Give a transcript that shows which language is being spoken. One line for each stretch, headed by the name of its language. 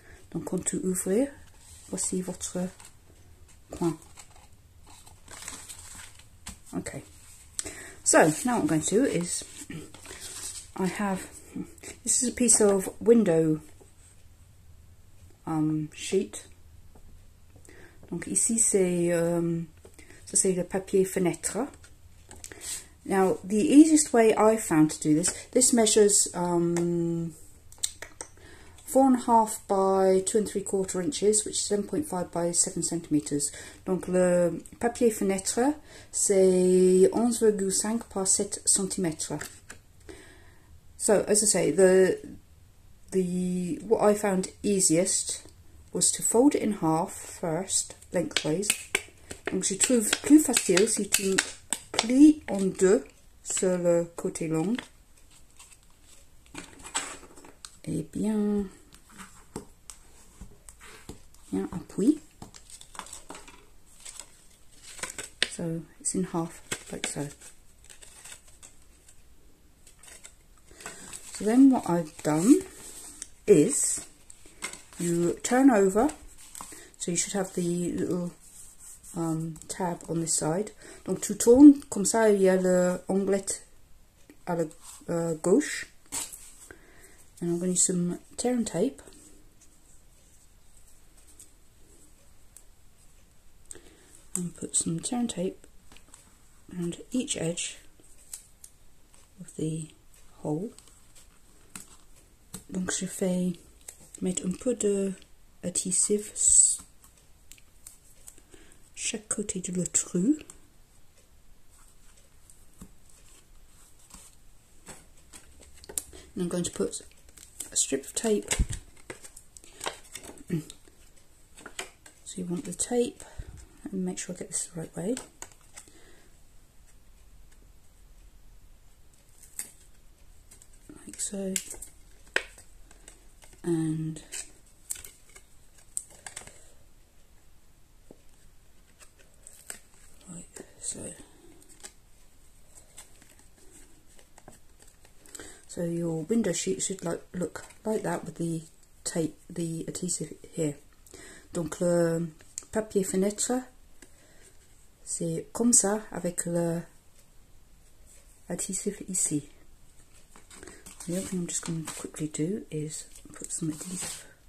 French: Donc quand tu ouvres, voici votre coin.
English: Okay. So now what I'm going to do is I have, this is a piece of window sheet.
French: Donc ici c'est ça c'est le papier fenêtre.
English: Now the easiest way I found to do this, this measures 4.5 by 2¾ inches, which is 7.5 by 7 centimeters.
French: Donc le papier fenêtre c'est 11.5 par 7 centimeters.
English: So as I say, what I found easiest was to fold it in half first, lengthwise.
French: Donc je trouve plus facile si tu plies en deux sur le côté long. Et bien, bien appuie.
English: So it's in half, like so. So then what I've done is, you turn over, so you should have the little tab on this side.
French: Donc tu tournes, comme ça il y a l'angle à la gauche.
English: And I'm going to use some tear and tape. And put some tear and tape around each edge of the hole.
French: Donc je fais mettre un peu d'adhésif chaque côté de le trou.
English: And I'm going to put a strip of tape So you want the tape, and make sure I get this the right way. Like so. And like so. So your window sheet should look like that with the tape, the adhesive here.
French: Donc le papier fenêtre, c'est comme ça avec le adhesive ici.
English: The other thing I'm just going to quickly do is put some adhesive.